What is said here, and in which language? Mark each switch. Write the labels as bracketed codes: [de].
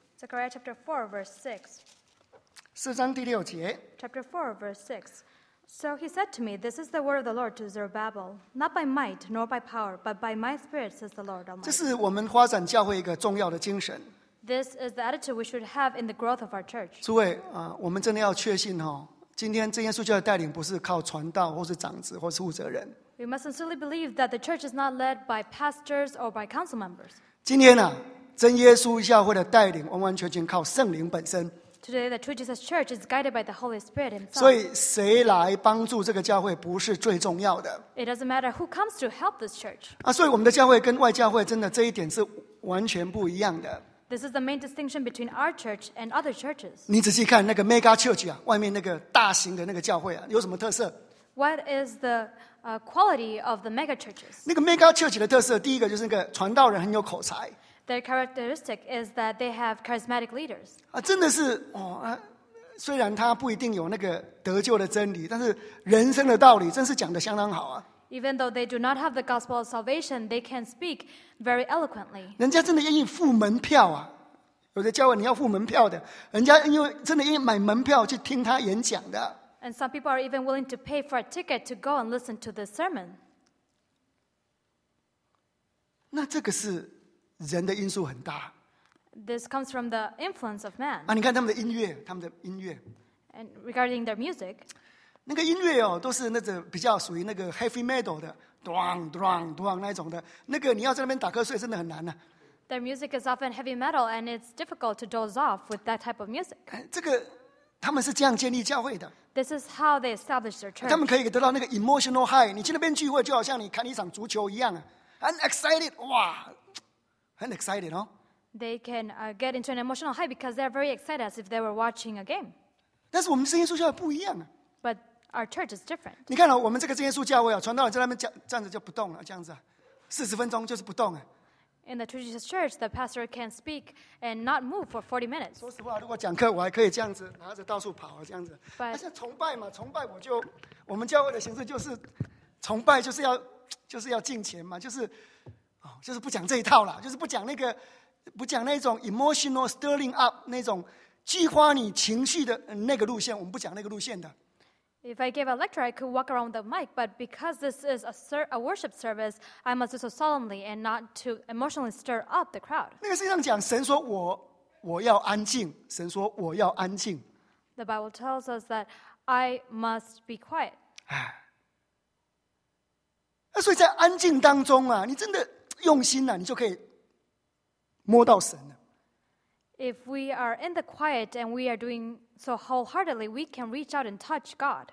[en] Zechariah chapter 4, verse 6. [zh] 四章第六节 [en] Chapter 4, verse 6 So he said to me, This is the word of the Lord to Zerubbabel, not by might nor by power, but by my spirit, says the Lord Almighty. [zh] 这是我们发展教会一个重要的精神 [en] This is the attitude we should have in the growth of our church. [zh] 诸位我们真的要确信今天真耶稣教会带领不是靠传道或是长子或是负责人 [en] We must sincerely believe that the church is not led by pastors or by council members. [zh] 今天真耶稣教会的带领完完全全靠圣灵本身 [en] Today, the true Jesus Church is guided by the Holy Spirit Himself. [zh] 所以谁来帮助这个教会不是最重要的。 [en] It doesn't matter who comes to help this church. [zh] 所以我们的教会跟外教会真的这一点是完全不一样的。 [en] This is the main distinction between our church and other churches. [zh] 你仔细看那个 mega church 外面那个大型的那个教会有什么特色？ [en] What is the quality of the mega churches? [zh] 那个 mega church 的特色，第一个就是那个传道人很有口才。 [en] Their characteristic is that they have charismatic leaders. [zh] 真的是虽然他不一定有那个得救的真理，但是人生的道理真是讲得相当好。 [en] Even though they do not have the gospel of salvation, they can speak very eloquently. [zh] 人家真的愿意付门票有的教会你要付门票的，人家因为真的愿意买门票去听他演讲的。 [en] And some people are even willing to pay for a ticket to go and listen to the sermon. [zh] 那这个是。人的因素很大。 [en] This comes from the influence of man. [zh] 你看他们的音乐。 [en] And regarding their music. [zh] 那个音乐都是那种比较属于那个 heavy metal 的 ，dong dong dong 那种的。那个你要在那边打瞌睡真的很难 [en] Their music is often heavy metal, and it's difficult to doze off with that type of music. [zh] 这个他们是这样建立教会的。 [en] This is how they establish their church. [zh] 他们可以得到那个 [en] emotional high。 [zh] 你去那边聚会就好像你看一场足球一样 ， [en] I'm excited， [zh] 哇！很 [en] excited They can get into an emotional high because they're very excited as if they were watching a game. [zh] 但是我们真耶稣教会不一样啊。 [en] But our church is different. [zh] 你看我们这个真耶稣教会啊，传道人在那边站着就不动了，这样子，40分钟就是不动啊。 [en] In the traditional church, the pastor can speak and not move for 40 minutes. [zh] 说实话，如果讲课，我还可以这样子拿着到处跑这样子。 [en] But [zh] 而且崇拜嘛，崇拜我们教会的形式就是崇拜，就是要敬虔嘛，就是不讲这一套了，就是不讲那种 [en] emotional stirring up [zh] 那种激发你情绪的那个路线，我们不讲那个路线的。 [en] If I gave a lecture, I could walk around the mic, but because this is a worship service, I must do so solemnly and not to emotionally stir up the crowd. [zh] 那个圣经讲，神说我要安静，神说我要安静。 [en] The Bible tells us that I must be quiet. [zh] 所以在安静当中啊，你真的用心啊，你就可以摸到神了。 [en] If we are in the quiet and we are doing so wholeheartedly, we can reach out and touch God.